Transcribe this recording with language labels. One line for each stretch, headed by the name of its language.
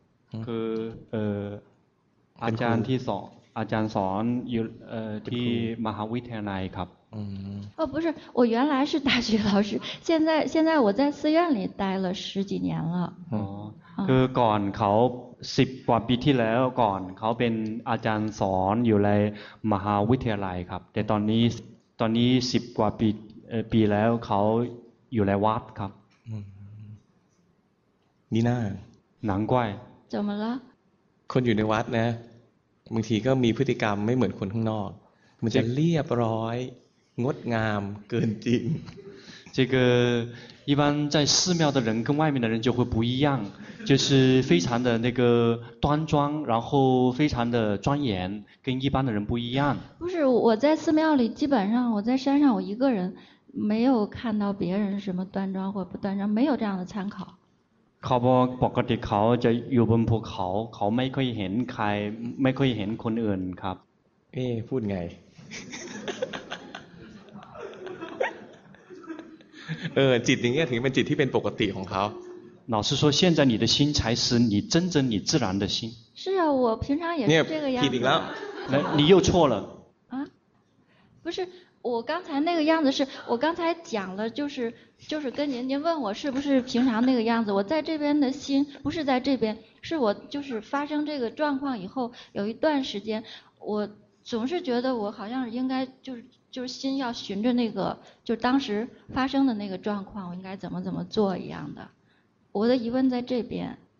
Thai: 和阿江提索อาจารย์สอนอยู่ที่มหาวิทยาลัยครับ
Chinese: อ๋อ不是我原来是大学老师现在我在寺院里待了十几年了
Thai: อ๋อคือก่อนเขา10กว่าปีที่แล้วก่อนเขาเป็นอาจารย์สอนอยู่ในมหาวิทยาลัยครับแต่ตอนนี้10กว่าปีแล้วเขาอยู่ในวัดครับ นี่น่า หนังก้อย
Chinese: 怎么了
Thai: คนอยู่ในวัดนะบางทีก็มีพฤติกรรมไม่เหมือนคนข้างนอกมันจะเรียบร้อยงดงามเกินจริง
Chinese: 这个一般在寺庙的人跟外面的人就会不一样就是非常的那个端庄然后非常的庄严跟一般的人不一样不是我在寺庙里基本上我在山上我一个人没有看到别人什么端庄或不端庄没有这样的参考
Thai: เขาบอกปกติเขาจะอยู่บนภูเขาเขาไม่ค่อยเห็นใครไม่ค่อยเห็นคนอื่นครับ เอ้พูดไงจิตอย่างเงี้ยถึงเป็นจิตที่เป็นปกติของเขา
Chinese: 老师说现在你的心才是你真正你自然的心是啊我平常也是这个样子你了你又错了啊不是我刚才那个样子是我刚才讲了就是跟您问我是不是平常那个样子我在这边的心不是在这边是我就是发生这个状况以后有一段时间我总是觉得我好像应该就是心要循着那个就当时发生的那个状况我应该怎么做一样的我的疑问在这边